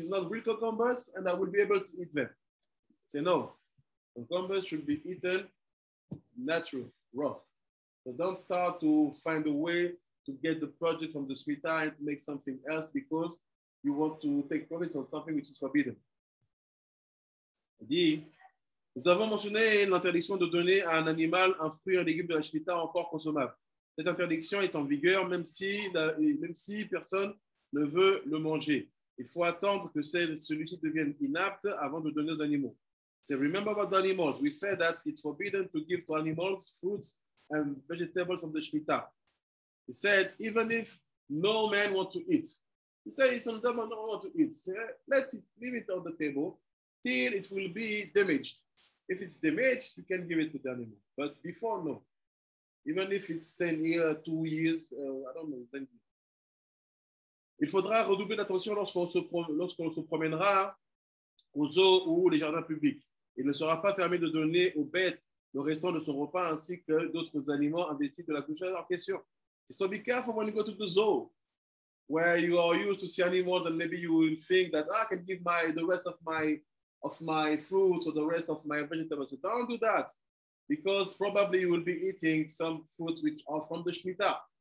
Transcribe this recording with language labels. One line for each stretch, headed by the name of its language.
English: It's not real cucumbers, and I will be able to eat them. Say, no, cucumbers should be eaten natural, rough. So don't start to find a way to get the product from the Shemitah and make something else because you want to take profit on something which is forbidden.
French: Nous avons mentionné l'interdiction de donner à un animal un fruit ou un légume de la Shemitah encore consommable. Cette interdiction est en vigueur même si personne ne veut le manger. Il faut attendre que celui-ci devienne inapte avant de donner aux animaux.
English: So remember about the animals. We said that it's forbidden to give to animals fruits and vegetables from the Shemitah. He said, even if no man wants to eat. He said, if some man don't want to eat, so let it leave it on the table till it will be damaged. If it's damaged, you can give it to the animal. But before, no. Even if it's 10 years, 2 years, I don't know. 10 years.
French: Il faudra redoubler d'attention lorsqu'on se promènera aux zoos ou les jardins publics. Il ne sera pas permis de donner aux bêtes le restant de son repas ainsi que d'autres animaux investis de la couche en question.
English: So be careful when you go to the zoo, where you are used to see animals and maybe you will think that I can give the rest of my fruits or the rest of my vegetables. So don't do that, because probably you will be eating some fruits which are from the Shemitah.